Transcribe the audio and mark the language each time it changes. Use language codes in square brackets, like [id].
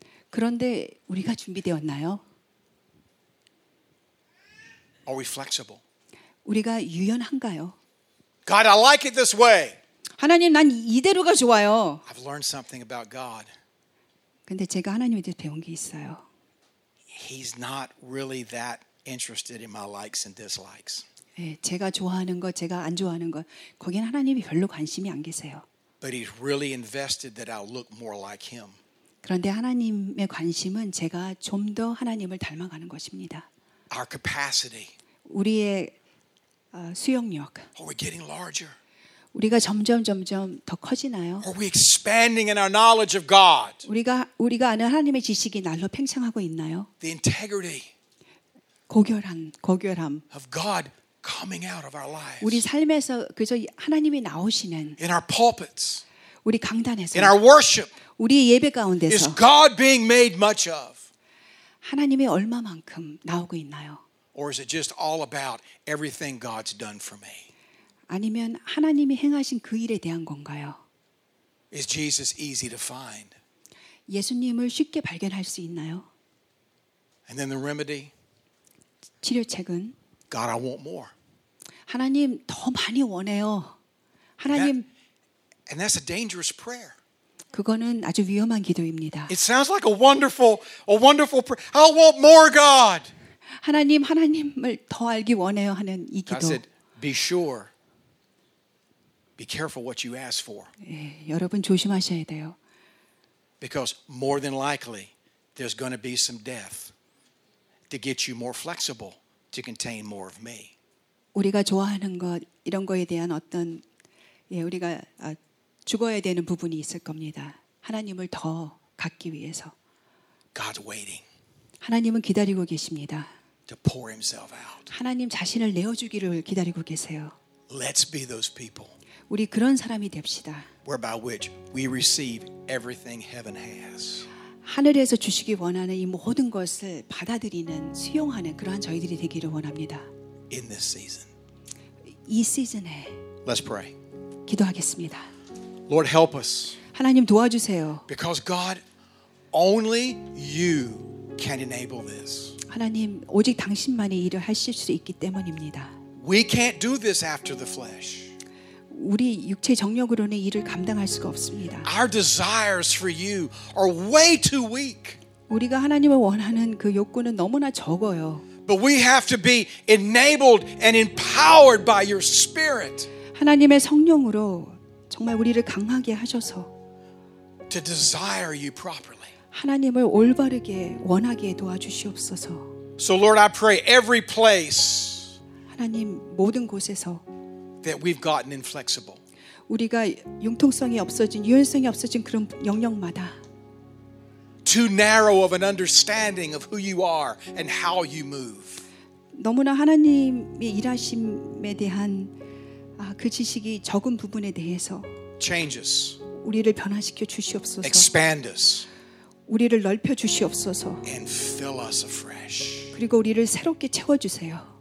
[ko] 그런데 우리가 준비되었나요? [en] Are we flexible? [ko] 우리가 유연한가요? [en] God, I like it this way. [ko] 하나님, 난 이대로가 좋아요. [en] I've learned something about God. [ko] 근데 제가 하나님한테 배운 게 있어요. [en] He's not really that interested in my likes and dislikes. [ko] 예, 제가 좋아하는 거, 제가 안 좋아하는 거, 거긴 하나님이 별로 관심이 안 계세요. [en] But he's really invested that I'll look more like him. [ko] 그런데 하나님의 관심은 제가 좀 더 하나님을 닮아가는 것입니다. [en] Our capacity. [ko] 우리의 수용력. [en] Are we getting larger? [ko] 우리가 점점 더 커지나요? [en] Are we expanding in our knowledge of God? [ko] 우리가 아는 하나님의 지식이 날로 팽창하고 있나요? [en] The integrity. [ko] 고결함. [en] Of God coming out of our lives. [ko] 우리 삶에서 그저 하나님이 나오시는. [en] In our pulpits. [ko] 우리 강단에서. [en] In our worship. [ko] 우리 예배 가운데서. [en] Is God being made much of? [ko] 하나님이 얼마만큼 나오고 있나요? [en] Or is it just all about everything God's done for me? [ko] 아니면 하나님이 행하신 그 일에 대한 건가요? [en] Is Jesus easy to find? [ko] 예수님을 쉽게 발견할 수 있나요? [en] And then the remedy. [ko] 치료책은 [en] God, I want more. [ko] 하나님 더 많이 원해요. 하나님 [en] And that's a dangerous prayer. [ko] 그거는 아주 위험한 기도입니다. [en] It sounds like a wonderful prayer. I want more, God. [ko] 하나님 하나님을 더 알기 원해요 하는 이 기도. [en] God said, "Be sure." Be careful what you ask for. [ko] 예, 여러분 조심하셔야 돼요. [en] Because more than likely, there's going to be some death to get you more flexible to contain more of me. [ko] 우리가 좋아하는 것 이런 거에 대한 어떤 예 우리가 죽어야 되는 부분이 있을 겁니다. 하나님을 더 갖기 위해서. [en] God's waiting. [ko] 하나님은 기다리고 계십니다. [en] To pour Himself out. [ko] 하나님 자신을 내어주기를 기다리고 계세요. [en] Let's be those people. [ko] 우리 그런 사람이 됩시다. [en] Whereby which we receive everything heaven has. [ko] 하늘에서 주시기 원하는 이 모든 것을 받아들이는 수용하는 그러한 저희들이 되기를 원합니다. [en] In this season. [ko] 이 시즌에. [en] Let's pray. [ko] 기도하겠습니다. [en] Lord, help us. [ko] 하나님 도와주세요. [en] Because God, only you can enable this. [ko] 하나님 오직 당신만이 일을 하실 수 있기 때문입니다. [en] We can't do this after the flesh. [ko] 우리 육체 정력으로는 일을 감당할 수가 없습니다. [en] Our desires for you are way too weak. [ko] 우리가 하나님을 원하는 그 욕구는 너무나 적어요. [en] But we have to be enabled and empowered by your Spirit. [ko] 하나님의 성령으로 정말 우리를 강하게 하셔서 [en] to desire you properly. [ko] 하나님을 올바르게 원하게 도와주시옵소서. [en] So Lord, I pray every place. [ko] 하나님 모든 곳에서. [en] That we've gotten inflexible. [ko] 우리가 융통성이 없어진 유연성이 없어진 그런 영역마다. [en] Too narrow of an understanding of who you are and how you move. [ko] 너무나 하나님의 일하심에 대한 그 지식이 적은 부분에 대해서. [en] Change us. [ko] 우리를 변화시켜 주시옵소서. [en] Expand us. [ko] 우리를 넓혀 주시옵소서. [en] And fill us afresh. [ko] 그리고 우리를 새롭게 채워주세요.